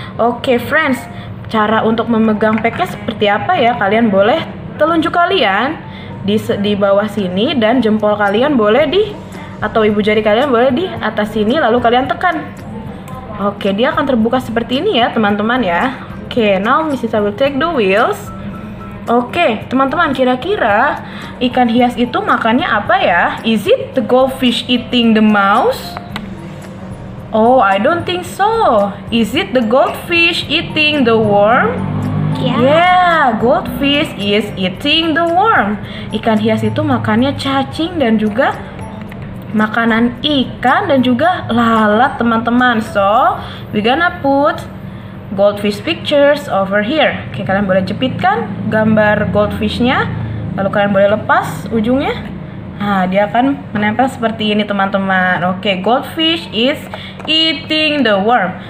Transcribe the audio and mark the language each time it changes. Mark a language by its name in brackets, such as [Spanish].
[English] Okay, friends, [Indonesian] cara untuk memegang packnya seperti apa ya? Kalian boleh telunjuk kalian di bawah sini, dan jempol kalian boleh di, atau ibu jari kalian boleh di atas sini, lalu kalian tekan. Okay, dia akan terbuka seperti ini ya, teman-teman ya. [English] Okay, now Miss Nisa will take the wheels. [Indonesian] Okay, teman-teman, kira-kira ikan hias itu makannya apa ya? [English] Is it the goldfish eating the mouse? Oh, I don't think so. Is it the goldfish eating the worm? Yeah. Yeah, goldfish is eating the worm. [Indonesian] Ikan hias itu makannya cacing dan juga makanan ikan dan juga lalat, teman-teman. [English] So, we're gonna put goldfish pictures over here. [Indonesian] Oke, kalian boleh jepitkan gambar goldfishnya, lalu kalian boleh lepas ujungnya. Nah, dia akan menempel seperti ini, teman-teman. Oke, [English] goldfish is eating the worm.